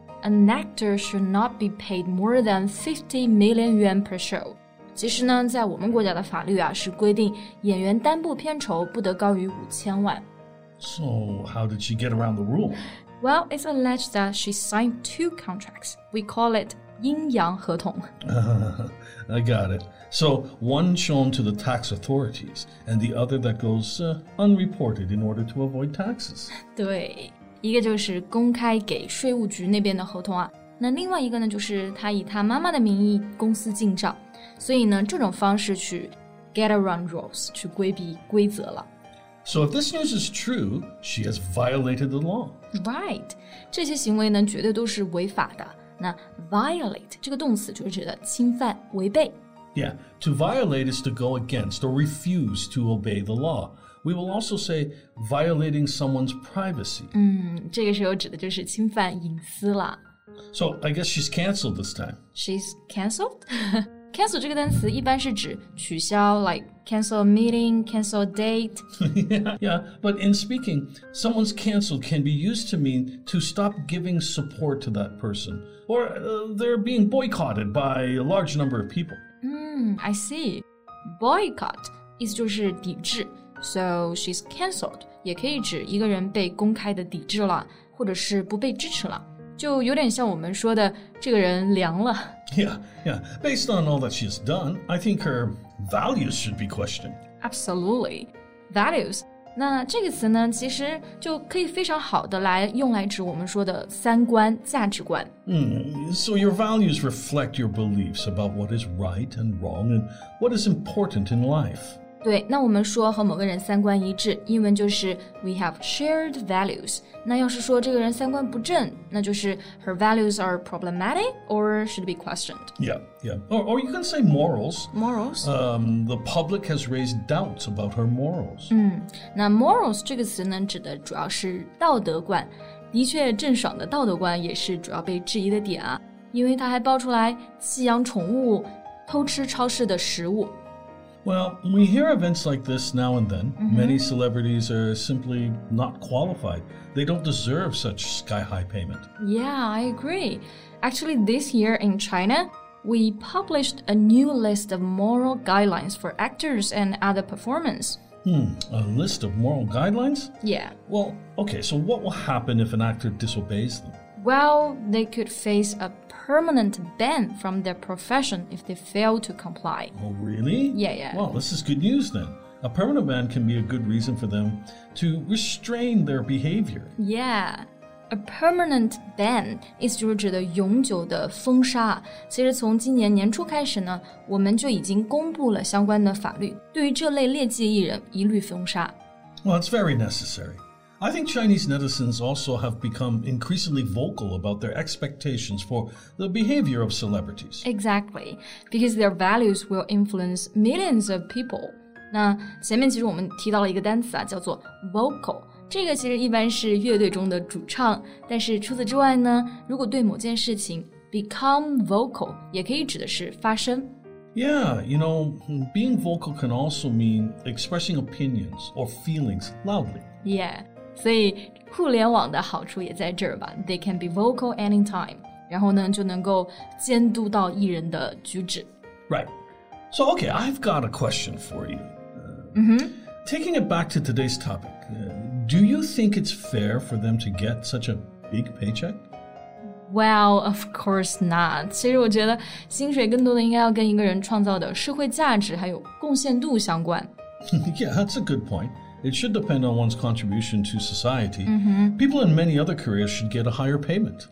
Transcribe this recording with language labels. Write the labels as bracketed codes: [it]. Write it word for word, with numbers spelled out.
[en] An actor should not be paid more than fifty million yuan per show. [zh] 其实呢，在我们国家的法律啊，是规定演员单部片酬不得高于五千万。 [en] So, how did she get around the rule? Well, it's alleged that she signed two contracts. We call it [zh] 阴阳合同. [en] Uh, I got it. So, one shown to the tax authorities, and the other that goes uh, unreported in order to avoid taxes. [zh] 对，一个就是公开给税务局那边的合同啊，那另外一个呢，就是他以他妈妈的名义公司进账，所以呢，这种方式去 [en] get around rules， [zh] 去规避规则了。 [en] So if this news is true, she has violated the law. Right. [zh] 这些行为呢，绝对都是违法的。那 violate 这个动词就是指的侵犯、违背。 [en] Yeah, to violate is to go against or refuse to obey the law. We will also say violating someone's privacy. [zh] 嗯，这个时候指的就是侵犯隐私了。 [en] So I guess she's canceled this time. She's canceled? [zh] Cancel 这个单词一般是指取消 [en] like cancel a meeting, cancel a date. yeah, yeah, but in speaking, someone's canceled can be used to mean to stop giving support to that person. Or uh, they're being boycotted by a large number of people. Mm, I see. [zh] Boycott 意思就是抵制. [en] So she's canceled [zh] 也可以指一个人被公开的抵制了，或者是不被支持了。就有点像我们说的这个人凉了。 [en] Yeah, yeah. Based on all that she's done, I think her values should be questioned. Absolutely. Values. [zh] 那这个词呢，其实就可以非常好的来用来指我们说的三观、价值观。 [en] Mm, so your values reflect your beliefs about what is right and wrong and what is important in life. [zh] 对，那我们说和某个人三观一致，英文就是 [en] we have shared values。 [zh] 那要是说这个人三观不正，那就是 [en] her values are problematic or should be questioned. Yeah, yeah. Or, or you can say morals. Morals. Um, the public has raised doubts about her morals. [zh] 嗯，那 morals 这个词呢，指的主要是道德观。的确，郑爽的道德观也是主要被质疑的点啊，因为她还爆出来弃养宠物、偷吃超市的食物。 [en] Well, we hear events like this now and then. Mm-hmm. Many celebrities are simply not qualified. They don't deserve such sky-high payment. Yeah, I agree. Actually, this year in China, we published a new list of moral guidelines for actors and other performers. Hmm, a list of moral guidelines? Yeah. Well, okay, so what will happen if an actor disobeys them? Well, they could face a permanent ban from their profession if they fail to comply. Oh, really? Yeah, yeah. Well, this is good news then. A permanent ban can be a good reason for them to restrain their behavior. Yeah. [zh] A permanent ban 意思就是指的永久的封杀。其实从今年年初开始呢，我们就已经公布了相关的法律，对于这类劣迹艺人一律封杀。 [en] Well, it's very necessary. I think Chinese netizens also have become increasingly vocal about their expectations for the behavior of celebrities. Exactly, because their values will influence millions of people. [zh] 那前面其实我们提到了一个单词啊，叫做 vocal。这个其实一般是乐队中的主唱，但是除此之外呢，如果对某件事情 [en] become vocal， [zh] 也可以指的是发声。 [en] Yeah, you know, being vocal can also mean expressing opinions or feelings loudly. Yeah. [zh] 所以互联网的好处也在这儿吧 [en] They can be vocal anytime [zh] 然后呢就能够监督到艺人的举止 [en] Right So okay, I've got a question for you、uh, mm-hmm. Taking it back to today's topic、uh, Do you think it's fair for them to get such a big paycheck? Well, of course not [zh] 其实我觉得薪水更多的应该要跟一个人创造的社会价值还有贡献度相关 [en] Yeah, that's a good point It should depend on one's contribution to society. Mm-hmm. People in many other careers should get a higher payment.